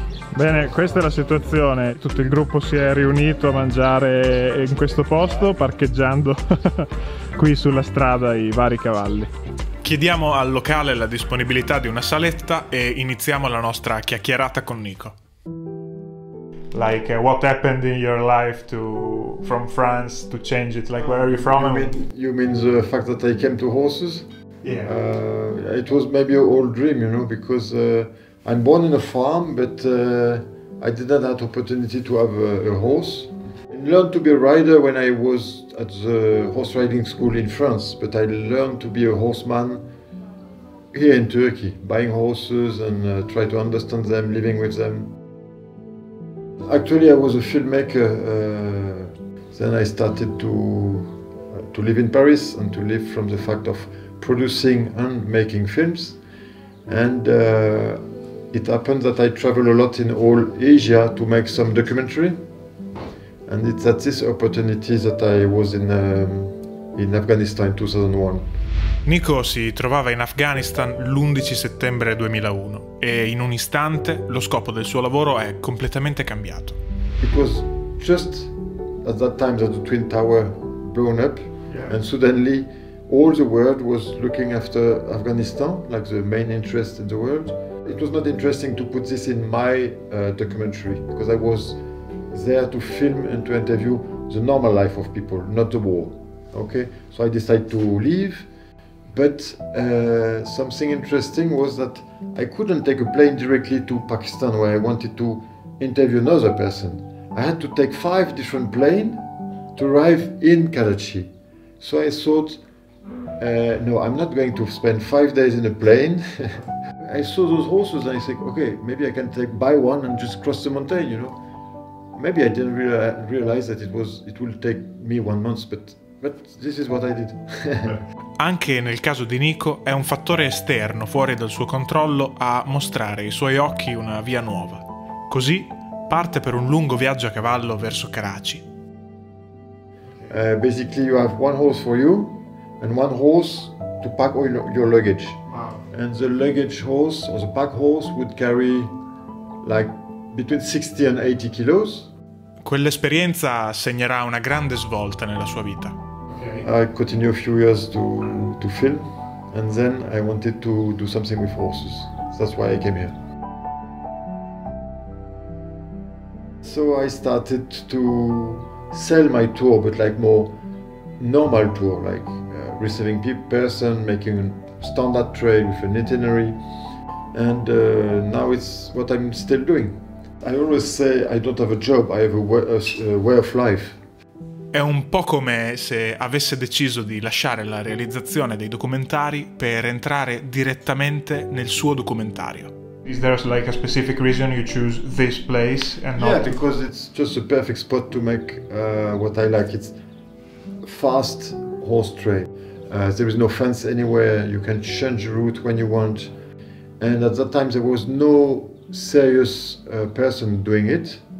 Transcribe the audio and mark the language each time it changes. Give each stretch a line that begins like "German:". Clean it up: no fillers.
Italian: Bene, questa è la situazione. Tutto il gruppo si è riunito a mangiare in questo posto, parcheggiando qui sulla strada i vari cavalli. Chiediamo al locale la disponibilità di una saletta e iniziamo la nostra chiacchierata con Nico.
English: Like what happened in your life to from France to change it? Like where are you from? You mean the fact that I came to horses? Yeah. It was maybe an old dream, you know, because I'm born in a farm, but I didn't have the opportunity to have a horse. I learned to be a rider when I was at the horse riding school in France, but I learned to be a horseman here in Turkey, buying horses and try to understand them, living with them. Actually, I was a filmmaker. Then I started to live in Paris and to live from the fact of producing and making films. And it happened that I travel a lot in all Asia to make some documentary. And it's at this opportunity that I was in Afghanistan in 2001.
Italian: Nico si trovava in Afghanistan l'11 settembre 2001 e in un istante lo scopo del suo lavoro è completamente cambiato.
English: It was just at that time that the Twin Tower blown up, yeah. And suddenly all the world was looking after Afghanistan, like the main interest in the world. It was not interesting to put this in my documentary because I was there to film and to interview the normal life of people, not the war. Okay, so I decided to leave. But something interesting was that I couldn't take a plane directly to Pakistan where I wanted to interview another person. I had to take 5 different planes to arrive in Karachi. So I thought, no, I'm not going to spend 5 days in a plane. I saw those horses and I said, okay, maybe I can buy one and just cross the mountain, you know. Maybe I didn't realize that it will take me 1 month, but this is what I did.
Italian: Anche nel caso di Nico, è un fattore esterno fuori dal suo controllo a mostrare ai suoi occhi una via nuova. Così parte per un lungo viaggio a cavallo verso Karachi.
English: Basically you have one horse for you and one horse to pack all your luggage. And the luggage horse or the pack horse would carry like between 60 and 80 kilos.
Italian: Quell'esperienza segnerà una grande svolta nella sua vita.
English: Okay. I continued a few years to film, and then I wanted to do something with horses. That's why I came here. So I started to sell my tour, but like more normal tour, like receiving person, making a standard trail with an itinerary. And now it's what I'm still doing. I always say I don't have a job, I have a way of life.
Italian: È un po' come se avesse deciso di lasciare la realizzazione dei documentari per entrare direttamente nel suo documentario.
English: Is there like a specific reason you choose this place and not? Yeah, because it's just a perfect spot to make what I like. It's fast horse trail. There is no fence anywhere. You can change route when you want. And at that time there was no serious person doing it.